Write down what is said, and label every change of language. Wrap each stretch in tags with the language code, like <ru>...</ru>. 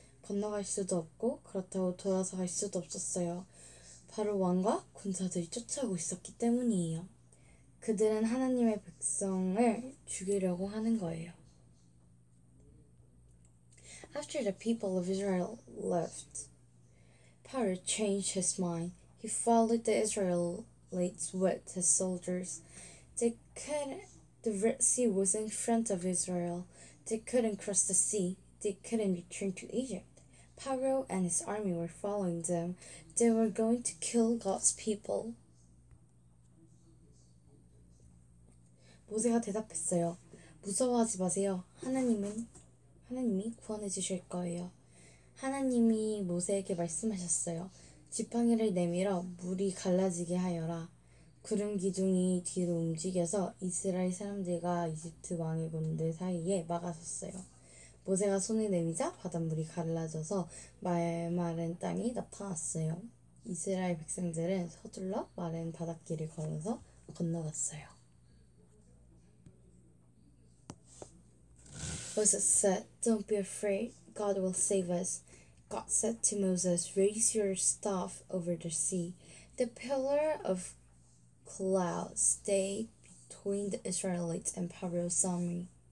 <ko>건너갈 수도 없고 그렇다고 돌아서 갈 수도 없었어요. 바로 왕과 군사들이 쫓아오고 있었기 때문이에요. 그들은 하나님의 백성을 죽이려고 하는 거예요.</ko> <en>After the people of Israel left, Pharaoh changed his mind. He followed the Israelites with his soldiers. The Red Sea was in front of Israel. They couldn't cross the sea. They couldn't return to Egypt. Pharaoh and his army were following them. They were going to kill God's people.</en> <ko>모세가 대답했어요. 무서워하지 마세요. 하나님이 구원해 주실 거예요. 하나님이 모세에게 말씀하셨어요. 지팡이를 내밀어 물이 갈라지게 하여라. 구름 기둥이 뒤로 움직여서 이스라엘 사람들과 이집트 왕의 군대 사이에 막아섰어요. 모세가 손을 내미자 바닷물이 갈라져서 말마른 땅이 나타났어요. 이스라엘 백성들은 서둘러 마른 바닷길을 걸어서 건너갔어요.</ko> <en>Moses said, "Don't be afraid. God will save us." God said to Moses, "Raise your staff over the sea. The pillar of cloud stayed between the Israelites and Pharaoh's army."</en>